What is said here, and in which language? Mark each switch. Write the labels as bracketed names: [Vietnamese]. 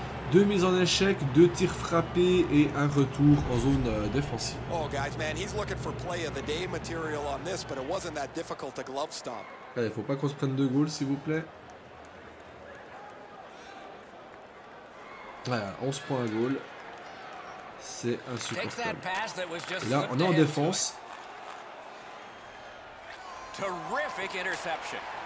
[French] Deux mises en échec, deux tirs frappés et un retour en zone défensive. [English] Oh, guys, man, he's looking for play of the day material on this, but it wasn't that difficult to glove stomp. [French] Allez, faut pas qu'on se prenne deux goals, s'il vous plaît. Voilà, on se prend un goal. C'est insupportable. Là, on est en défense. [English] Terrific interception.